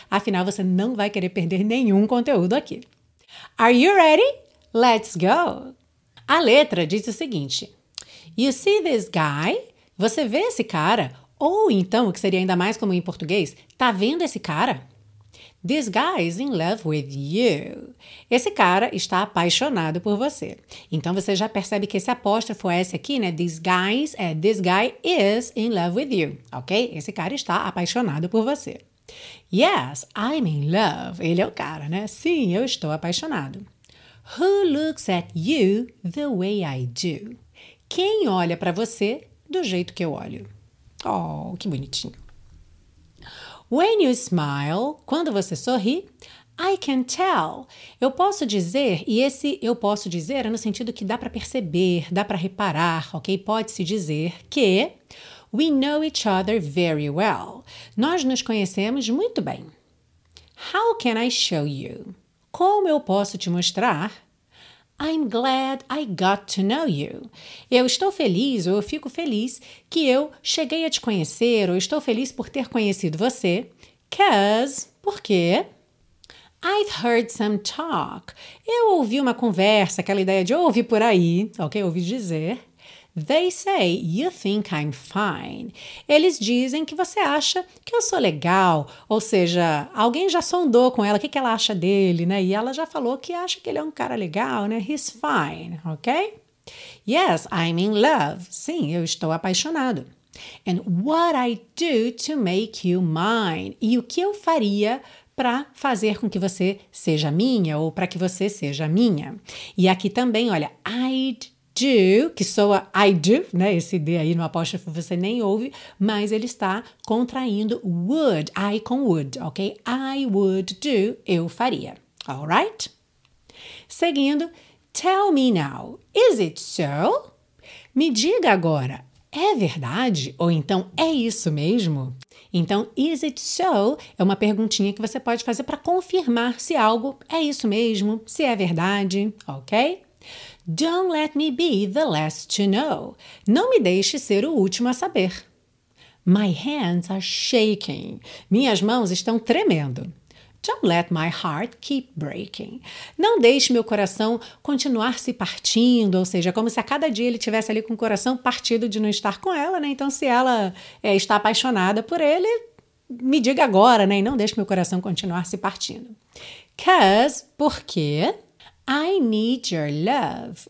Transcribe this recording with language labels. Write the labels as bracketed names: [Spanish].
[Portuguese] Afinal, você não vai querer perder nenhum conteúdo aqui. [English] Are you ready? Let's go! [Portuguese] A letra diz o seguinte: [English] You see this guy? [Portuguese] Você vê esse cara? Ou então, o que seria ainda mais comum em português, tá vendo esse cara? [English] This guy is in love with you. [Portuguese] Esse cara está apaixonado por você. Então, você já percebe que esse apóstrofo S aqui, né? [English] This guy's é this guy is in love with you, ok? [Portuguese] Esse cara está apaixonado por você. [English] Yes, I'm in love. [Portuguese] Ele é o cara, né? Sim, eu estou apaixonado. [English] Who looks at you the way I do? [Portuguese] Quem olha para você do jeito que eu olho? Oh, que bonitinho. [English] When you smile, [Portuguese] quando você sorri, [English] I can tell. [Portuguese] Eu posso dizer, e esse eu posso dizer é no sentido que dá para perceber, dá para reparar, ok? Pode-se dizer que [English] we know each other very well. [Portuguese] Nós nos conhecemos muito bem. [English] How can I show you? [Portuguese] Como eu posso te mostrar? [English] I'm glad I got to know you. [Portuguese] Eu estou feliz, ou eu fico feliz, que eu cheguei a te conhecer, ou estou feliz por ter conhecido você. [English] Because, porque? I've heard some talk. [Portuguese] Eu ouvi uma conversa, aquela ideia de ouvir por aí, ok? Ouvi dizer. [English] They say you think I'm fine. [Portuguese] Eles dizem que você acha que eu sou legal. Ou seja, alguém já sondou com ela, o que ela acha dele, né? E ela já falou que acha que ele é um cara legal, né? [English] He's fine, ok? Yes, I'm in love. [Portuguese] Sim, eu estou apaixonado. [English] And what I do to make you mine. [Portuguese] E o que eu faria para fazer com que você seja minha ou para que você seja minha. E aqui também, olha, I'd do, que soa I do, né? Esse D aí no apóstrofo você nem ouve, mas ele está contraindo would, I com would, ok? [English] I would do, [Portuguese] eu faria, [English] alright? Seguindo, tell me now, is it so? [Portuguese] Me diga agora, é verdade? Ou então, é isso mesmo? [English] Então, is it so? [Portuguese] É uma perguntinha que você pode fazer para confirmar se algo é isso mesmo, se é verdade, ok? [English] Don't let me be the last to know. [Portuguese] Não me deixe ser o último a saber. [English] My hands are shaking. [Portuguese] Minhas mãos estão tremendo. [English] Don't let my heart keep breaking. [Portuguese] Não deixe meu coração continuar se partindo, ou seja, como se a cada dia ele estivesse ali com o coração partido de não estar com ela, né? Então, se ela está apaixonada por ele, me diga agora, né? E não deixe meu coração continuar se partindo. [English] Because, porque I need your love.